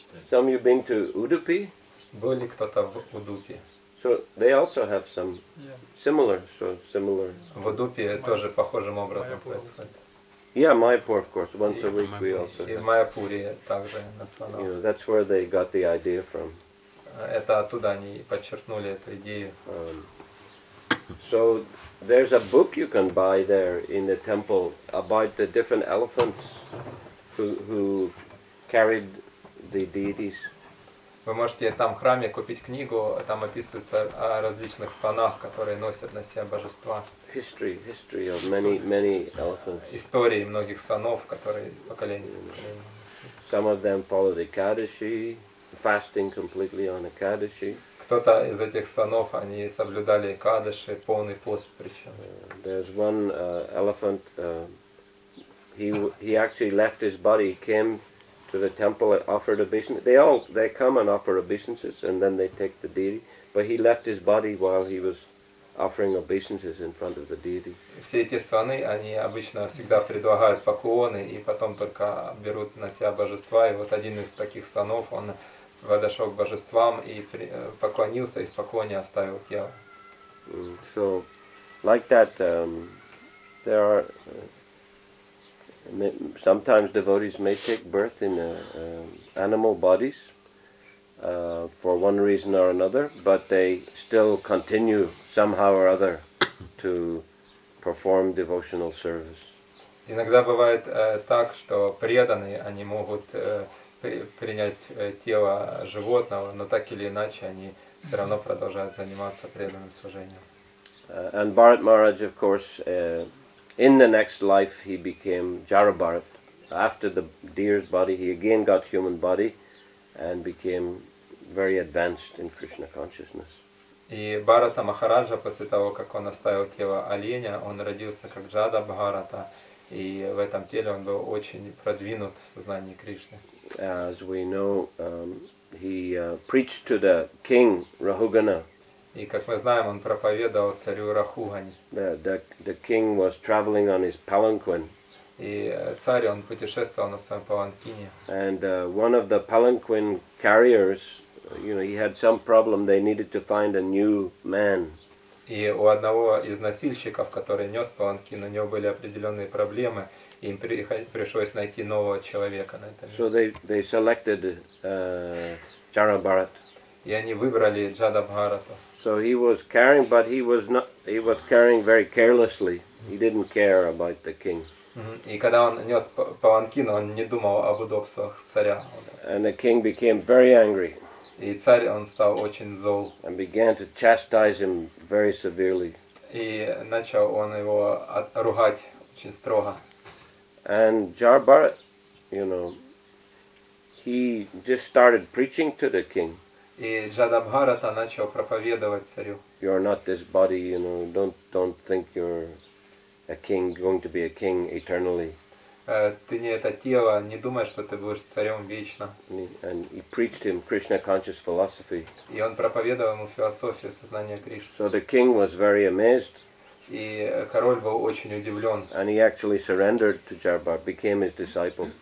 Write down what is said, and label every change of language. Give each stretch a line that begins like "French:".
English: Some of you been to Udupi?
Russian: Был ли кто-то в Удупе?
English: So they also have some similar.
Russian: В Удупе тоже похожим образом происходит.
English: Yeah, Майяпур, of course. Once a week we also.
Russian: И в Майяпуре также на слонах.
English: You know, that's where they got the idea from.
Russian: Это оттуда они подчеркнули эту идею.
English: So there's a book you can buy there in the temple about the different elephants who carried the deities.
Russian: Вы можете там в храме купить книгу, там описывается о различных слонах, которые носят на себе божества.
English: History of many elephants.
Russian: Истории многих слонов, которые из поколения.
English: Some of them follow the Ekadashi, fasting completely on Ekadashi.
Russian: Кто-то из этих слонов, они соблюдали Экадаши, полный пост причем.
English: There's one elephant. He actually left his body, came to the temple and offered obeisances. They come and offer obeisances and then they take the deity. But he left his body while he was offering obeisances in front of the deity.
Russian: Все эти слоны, они обычно всегда предлагают поклоны и потом только берут на себя божества. И вот один из таких слонов, он подошел к божествам и поклонился, и в поклоне оставил тело.
English: So, like that, there are... Sometimes devotees may take birth in animal bodies for one reason or another, but they still continue somehow or other to perform devotional service.
Russian: Иногда бывает так, что преданные они могут принять тело животного, но так или иначе они все равно продолжают заниматься преданным служением.
English: And Bharat Maharaj, of course. In the next life, he became Jarabharat. After the deer's body, he again got human body and became very advanced in Krishna consciousness.
Russian: И Бхарата Махараджа, после того, как он оставил тело оленя, он родился как Джада Бхарата, и в этом теле он был очень продвинут в сознании Кришны.
English: As we know, he preached to the king, Rahugana.
Russian: И как мы знаем, он проповедовал царю Рахугане.
English: The king was traveling on his palanquin.
Russian: И царь он путешествовал на своем паланкине.
English: And one of the palanquin carriers, you know, he had some problem. They needed to find a new man.
Russian: И у одного из носильщиков, который нес паланкин, у него были определенные проблемы. Им пришлось найти нового человека на этом.
English: So they selected Jarabharat.
Russian: И они выбрали Джада Бхарата.
English: So he was carrying, but he was carrying very carelessly. He didn't care about the king.
Russian: И когда он нес паланкин, он не думал об удобствах царя.
English: And the king became very angry.
Russian: И царь он стал очень зол.
English: And began to chastise him very severely.
Russian: И начал он его ругать очень строго.
English: And Jarabharat, you know, he just started preaching to the king.
Russian: И Джада Бхарата начал проповедовать царю.
English: You are not this body, you know. Don't think you're a king, going to be a king eternally.
Russian: Ты не это тело, не думай, что ты будешь царем вечно.
English: And he preached him Krishna conscious philosophy.
Russian: И он проповедовал ему философию сознания Кришны.
English: So the king was very amazed.
Russian: И король был очень удивлен.
English: And he actually surrendered to Jarabharat, became his disciple.